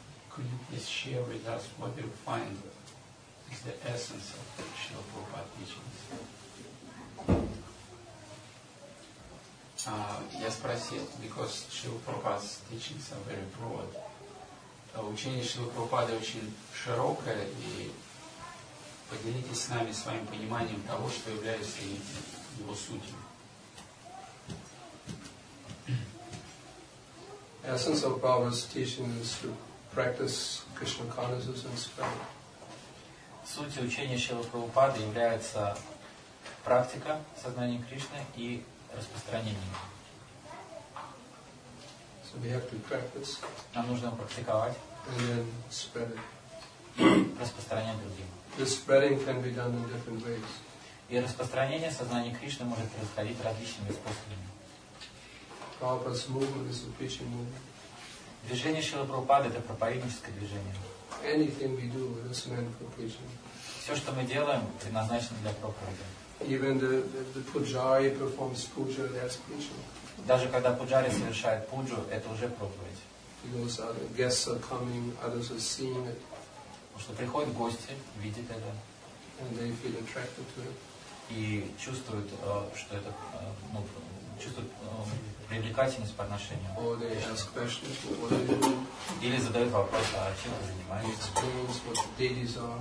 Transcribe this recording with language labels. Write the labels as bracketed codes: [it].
[en] Could you please share with us what you find is the essence of the Srila Prabhupada teachings? [ru] Я спросил, [en] because Srila Prabhupada's teachings are very broad. [ru] Учение Srila Prabhupada очень широкое, и поделитесь с нами своим пониманием того, что является его сутью. [en] The essence of Prabhupada's teaching is to practice Krishna consciousness and spread. [ru] Суть учения Шрилы Прабхупады является практика сознания Кришны и распространение. [en] So we have to practice. [ru] Нам нужно практиковать. [en] And then spread it. [ru] Распространять другим. [en] The spreading can be done in different ways. [ru] И распространение сознания Кришны может происходить различными способами. [en] Prabhupada's movement is a preaching movement. [ru] Движение Шрилы Прабхупады – это проповедническое движение. [en] Anything we do is meant for preaching. [ru] Все, что мы делаем, предназначено для проповеди. [en] Even the pujari performs puja, that's preaching. [ru] Даже когда пуджари совершает пуджу, это уже проповедь. [en] Because other guests are coming, others are seeing it. [ru] Потому что приходят гости, видят это. [en] And they feel attracted to it. [ru] И чувствуют, что это, ну, чувствуют привлекательность по отношению. [en] Or they ask questions, what are you doing? [ru] или задают вопрос, а чем вы занимаетесь.